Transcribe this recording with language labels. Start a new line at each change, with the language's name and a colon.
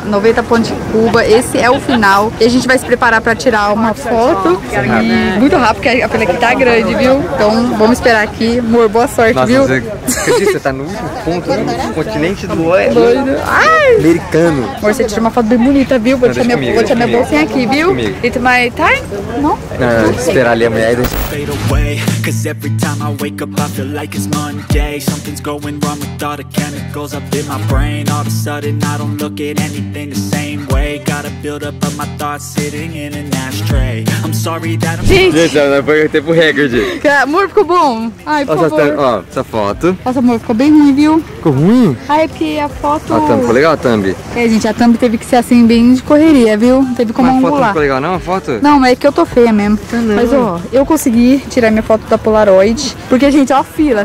Portuguese: 90 pontos de Cuba. Esse é o final. E a gente vai se preparar pra tirar uma foto. E muito rápido, porque a fila aqui tá grande, viu? Então vamos esperar aqui. Amor, boa sorte, nossa, viu? Você, você tá no último ponto, no último continente do oeste. Doido. Ai! Americano. Amor, você tira uma foto bem bonita, viu? Vou tirar minha, minha bolsinha aqui, viu?
English: It's my time? Não?
Portuguese: Esperar ali a mulher.
English: Fade away, cause every time I wake up I feel like it's Monday. Something's going wrong with all the chemicals up in my brain. All of a sudden I don't look at anything the same way. Gotta build up of my thoughts sitting in an ashtray. I'm sorry that I'm...
Portuguese: Gente, gente, foi o tempo recorde. Amor, ficou bom. Ai, por nossa, favor. Ó, essa foto. Nossa, amor, ficou bem ruim, viu? Ficou ruim? Ai, é porque a foto... A thumb, ficou legal a thumb. É, gente, a thumb teve que ser assim bem de correria, viu? Não teve como angular. A foto não ficou legal não, a foto? Não, é que eu tô feia mesmo. Mas, ó, eu consegui tirar minha foto da Polaroid. Porque, gente, ó, a fila.